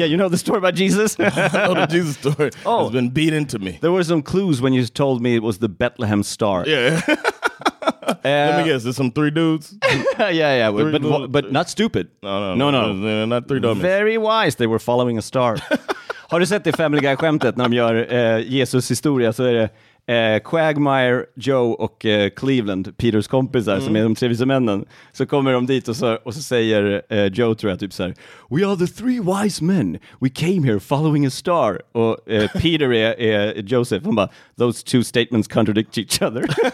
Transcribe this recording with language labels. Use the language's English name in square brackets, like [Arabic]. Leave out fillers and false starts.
[English] Yeah, you know the story about Jesus? I know the Jesus story. Oh. It's been beat into me. There were some clues when you told me it was the Bethlehem star. Yeah. Let me guess. There's some three dudes? yeah. But not stupid. No. Not three dummies. Very wise. They were following a star. [Swedish] Har du sett det Family Guy-skämtet när de gör Jesus historia? Så är det... Quagmire, Joe och Cleveland, Peters kompisar som är de trevligaste männen, så kommer de dit och så säger Joe, tror jag, typ så här: [English] we are the three wise men, we came here following a star. [Swedish] Och Peter är Joseph. Han bara, [English] those two statements contradict each other.